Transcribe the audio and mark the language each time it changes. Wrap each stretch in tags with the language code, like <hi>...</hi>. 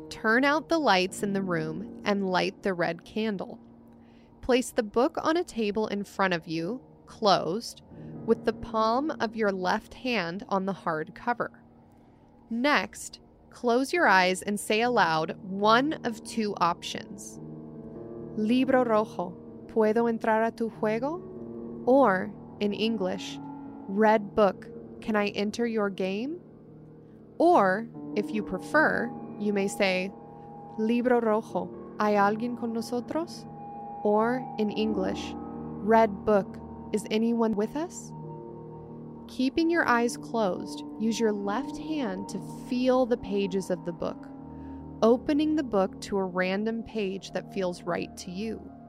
<en>Turn out the lights in the room and light the red candle. Place the book on a table in front of you, closed, with the palm of your left hand on the hard cover. Next, close your eyes and say aloud one of two options.</en> <es>Libro rojo, ¿puedo entrar a tu juego?</es> <en>Or, in English, red book, can I enter your game? Or, if you prefer, you may say,</en> <es>Libro rojo, ¿hay alguien con nosotros?</es> <en>Or, in English, red book, is anyone with us? Keeping your eyes closed, use your left hand to feel the pages of the book, opening the book to a random page that feels right to you.</en>